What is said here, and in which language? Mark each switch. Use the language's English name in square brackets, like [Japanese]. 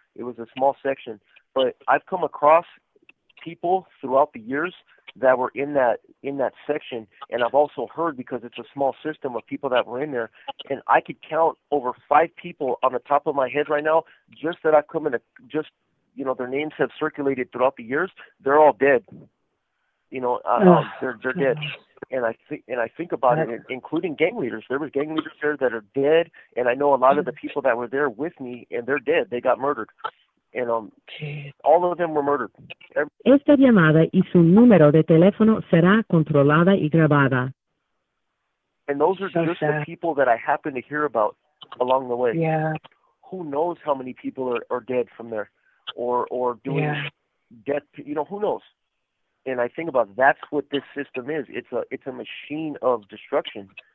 [English] It was a small section, but I've come across people throughout the years that were in that section, and I've also heard, because it's a small system of people that were in there, and I could count over five people on the top of my head right now, just that I've come in, just, you know, their names have circulated throughout the years. They're all dead, you know, they're dead. And I think about it, including gang leaders. There was gang leaders there that are dead, and I know a lot of the people that were there with me, and they're dead. They got murdered, and all of them were murdered. [Spanish] Esta llamada y su número de teléfono será controlada y grabada. [English] And those are just the people that I happen to hear about along the way. Yeah. Who knows how many people are dead from there, or doing death? You know, who knows? And I think about, that's what this system is. It's a machine of destruction.